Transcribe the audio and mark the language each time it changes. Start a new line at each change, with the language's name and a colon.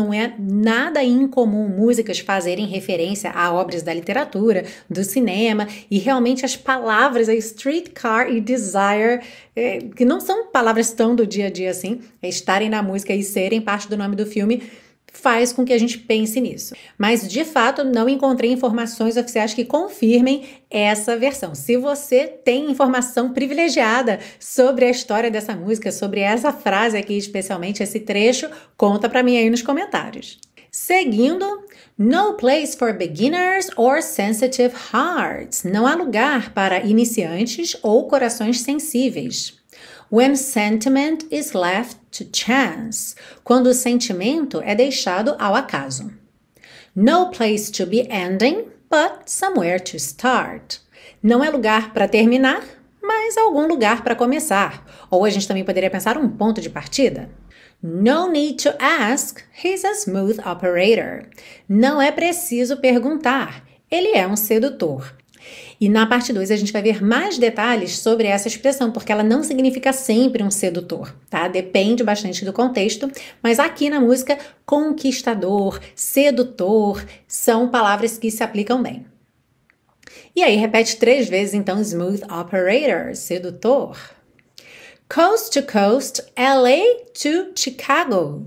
Portuguese: Não é nada incomum músicas fazerem referência a obras da literatura, do cinema, e realmente as palavras aí, streetcar e desire, que não são palavras tão do dia a dia assim, estarem na música e serem parte do nome do filme, faz com que a gente pense nisso. Mas, de fato, não encontrei informações oficiais que confirmem essa versão. Se você tem informação privilegiada sobre a história dessa música, sobre essa frase aqui, especialmente esse trecho, conta pra mim aí nos comentários. Seguindo,
English: no place for beginners or sensitive hearts.
Portuguese: Não há lugar para iniciantes ou corações sensíveis.
English: When sentiment is left to chance,
Portuguese: quando o sentimento é deixado ao acaso.
English: No place to be ending, but somewhere to start.
Portuguese: Não é lugar para terminar, mas algum lugar para começar. Ou a gente também poderia pensar um ponto de partida.
English: No need to ask, he's a smooth operator.
Portuguese: Não é preciso perguntar, ele é um sedutor. E na parte 2 a gente vai ver mais detalhes sobre essa expressão, porque ela não significa sempre um sedutor, tá? Depende bastante do contexto, mas aqui na música, conquistador, sedutor, são palavras que se aplicam bem. E aí, repete 3 vezes, então, smooth operator, sedutor.
English: Coast to coast, LA to Chicago.